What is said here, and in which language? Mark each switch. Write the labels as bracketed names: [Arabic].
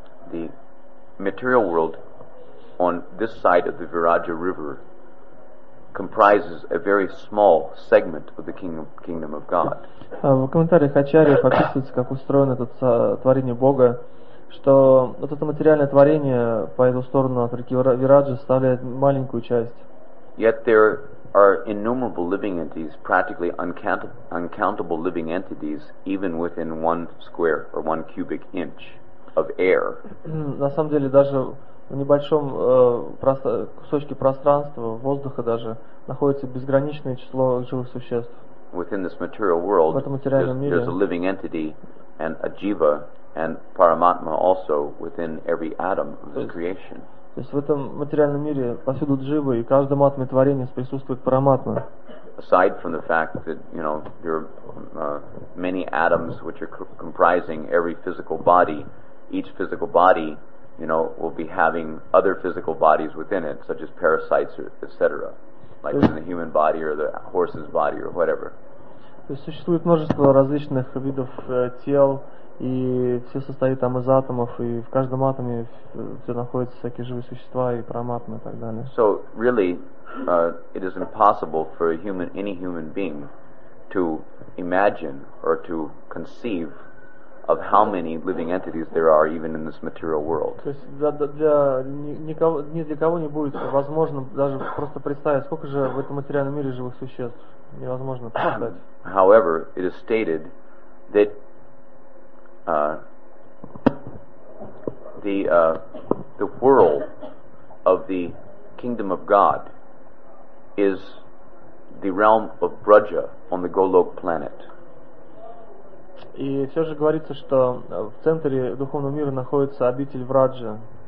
[English] The material world on this side of the Viraja River comprises a very small segment of the kingdom of God. [Russian] В комментариях Ачарьи описывается, как устроено это творение Бога, что вот это материальное творение по эту сторону от реки Вираджа составляет маленькую часть. [English] Yet there are innumerable living entities, practically uncountable living entities, even within one square or one cubic inch of air. [Russian] На самом деле, даже в небольшом кусочке пространства, воздуха даже, находится безграничное число живых существ. [English] Within this material world, there's a living entity and a jiva and paramatma also within every atom of the creation. [Russian] То есть в этом материальном мире повсюду дживы, и каждому атоме творения присутствует параматма. [English] Aside from the fact that, you know, there are many atoms which are comprising every physical body, each physical body, you know, will be having other physical bodies within it, such as parasites, etc. Like in the human body or the horse's body or whatever. [Russian] То есть существует множество различных видов тел, и все состоит там из атомов, и в каждом атоме все находятся всякие живые существа и параматмы и так далее. [English] So really, it is impossible for any human being to imagine or to conceive of how many living entities there are even in this material world. [Russian] То есть для никого не будет возможно даже просто представить, сколько же в этом материальном мире живых существ. Невозможно представить. [English] However, it is stated that the world of the kingdom of God is the realm of Braja on the Golok planet. [Russian] И все же говорится, что в центре духовного мира находится обитель Враджа.